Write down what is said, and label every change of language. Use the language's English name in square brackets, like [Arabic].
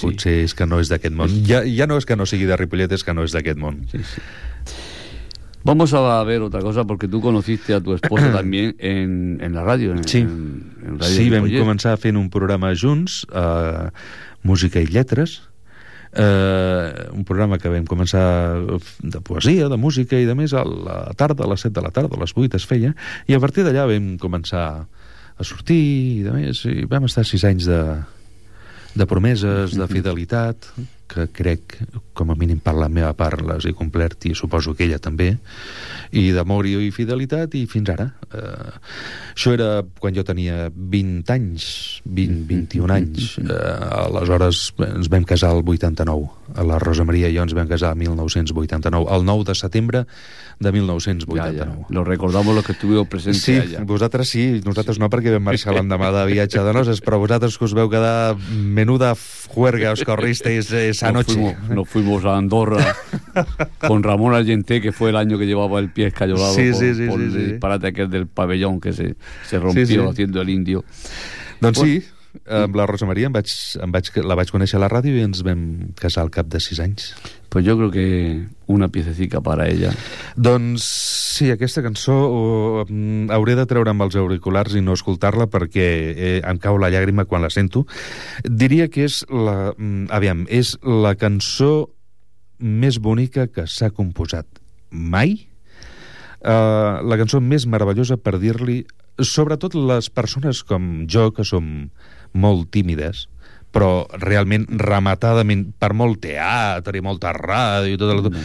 [Catalan] Potser és que no és d'aquest món. Sí. Ja no és que no sigui de Ripollet, és que no és d'aquest món. Sí, sí. [Spanish] Vamos a ver otra cosa, porque tú conociste a tu esposa también en la radio. Sí, en [Catalan] sí, vam començar fent un programa junts, Música i Lletres, un programa que vam començar de poesia, de música i de més, a la tarda, a les 7 de la tarda, a les 8 es feia, i a partir d'allà vam començar a sortir i de més, i vam estar 6 anys de promeses, de fidelitat... que crec, com a mínim per la meva part, les he complert, i suposo que ella també, i d'amor i fidelitat, i fins ara. Això era quan jo tenia 20 anys, 20, 21 anys. Aleshores ens vam casar el 89. La Rosa Maria i jo ens vam casar el 1989, el 9 de setembre de 1989. [Spanish] Ja, ja. Lo recordamos los que estuvimos presentes sí, allá. [Catalan] Sí, vosaltres sí, nosaltres sí. No, perquè vam marxar l'endemà de viatge de noces, però vosaltres que us veu quedar menuda juerga, [Spanish] os corristeis esa noche. Nos fuimos a Andorra con Ramón Allenté, que fue el año que llevaba el pie escayolado por el disparate aquel del pabellón que se rompió sí, sí. Haciendo el indio. [Catalan] Doncs pues, sí, amb la Rosa Maria la vaig conèixer a la ràdio i ens vam casar al cap de 6 anys. [Spanish] Pues yo creo que una piececica para ella. [Catalan] Doncs sí, aquesta cançó hauré de treure amb els auriculars i no escoltar-la perquè em cau la llàgrima quan la sento. Diria que és la cançó més bonica que s'ha composat mai, la cançó més meravellosa per dir-li, sobretot les persones com jo, que som molt tímides, però realment rematadament, per molt teatre i molta ràdio i tot el que...